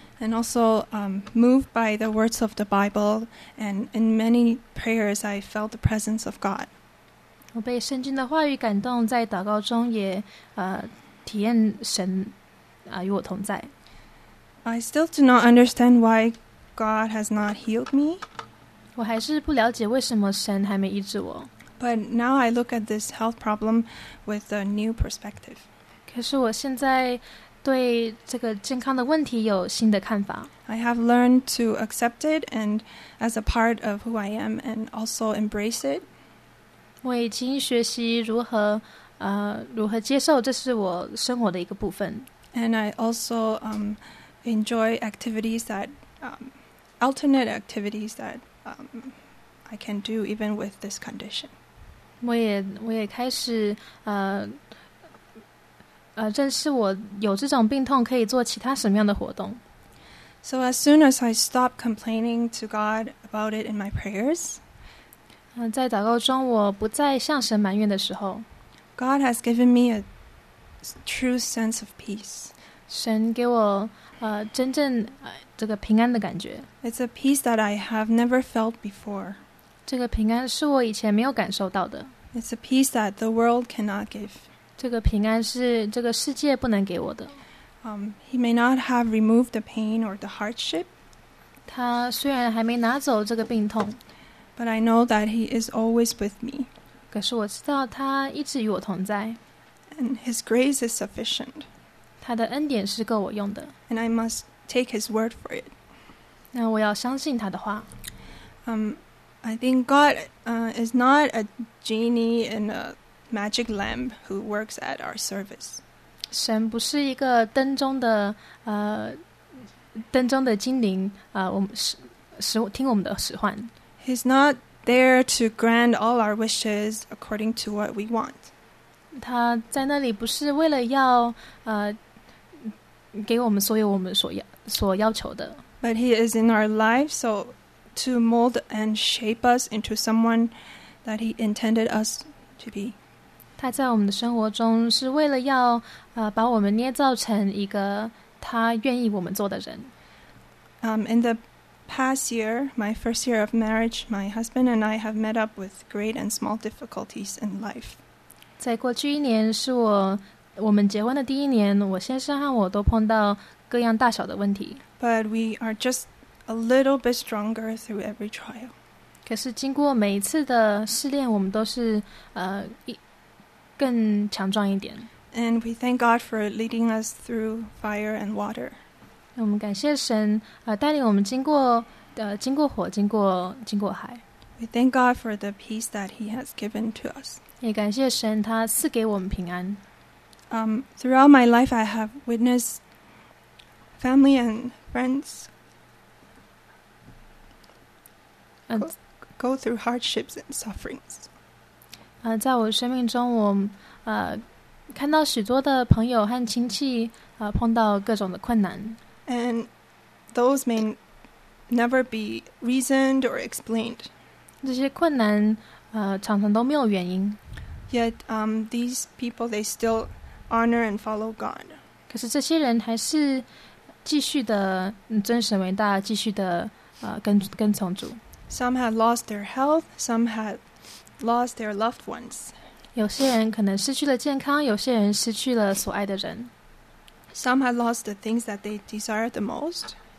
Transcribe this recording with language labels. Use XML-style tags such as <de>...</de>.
<en>And also moved by the words of the Bible, and in many prayers I felt the presence of God.</en> <zh>我被圣经的话语感动，在祷告中也体验神与我同在。</zh> <en>I still do not understand why God has not healed me.</en> <zh>我还是不了解为什么神还没医治我。</zh> <en>But now I look at this health problem with a new perspective.</en> <zh>可是我现在对这个健康的问题有新的看法。</zh> <en>I have learned to accept it and as a part of who I am and also embrace it.</en> <zh>我已经学习如何如何接受，这是我生活的一个部分。</zh> <en>And I also enjoy activities that alternate activities that I can do even with this condition.</en> <zh>我也开始正是我有这种病痛可以做其他什么样的活动。</zh> <en>So as soon as I stop complaining to God about it in my prayers,</en> <zh>在祷告中我不再向神埋怨的时候，</zh> <en>God has given me a true sense of peace.</en> <zh>神给我真正这个平安的感觉。</zh> <en>It's a peace that I have never felt before.</en> <zh>这个平安是我以前没有感受到的。</zh> <en>It's a peace that the world cannot give.</en> <zh>这个平安是这个世界不能给我的。</zh> <en>He may not have removed the pain or the hardship.</en> <zh>他虽然还没拿走这个病痛，</zh> <en>but I know that he is always with me.</en> <zh>可是我知道他一直与我同在。</zh> <en>And his grace is sufficient.</en> <zh>他的恩典是够我用的。</zh> <en>And I must take his word for it.</en> <zh>那我要相信他的话。</zh> <en>I think God is not a genie in a magic lamp who works at our service.</en> <zh>神不是一个灯中的精灵我们听我们的使唤。</zh> <en>He's not there to grant all our wishes according to what we want.</en> <zh>他在那里不是为了要给我们所有我们所要求的。</zh> <en>But he is in our life, so to mold and shape us into someone that he intended us to be.</en> <zh>他在我们的生活中是为了要把我们捏造成一个他愿意我们做的人。</zh> <en>In the past year, my first year of marriage, my husband and I have met up with great and small difficulties in life.</en> <zh>在过去一年是我们结婚的第一年，我先生和我都碰到各样大小的问题。</zh> <en>But we are just a little bit stronger through every trial.</en> <zh>可是经过每一次的试炼，我们都是更强壮一点。</zh> <en>And we thank God for leading us through fire and water.</en> <zh>我们感谢神带领我们经过火，经过海。</zh> <en>We thank God for the peace that He has given to us.</en> <zh>也感谢神他赐给我们平安。</zh> <en>Throughout my life, I have witnessed family and friends go through hardships and sufferings.</en> <zh>在我生命中，我看到许多的朋友和亲戚碰到各种的困难。</zh> <en>And those may never be reasoned or explained.</en> <zh>这些困难常常都没有原因。</zh> <en>Yet these people, they still honor and follow God.</en> <zh>可是这些人还是继续的尊神为大，继续的跟从主。</zh> <en>Some had lost their health, some had lost their loved ones.</en> <zh>有些人可能失去了健康，有些人失去了所爱的人。</zh> <en>Some had lost the things that they desired the most.</en>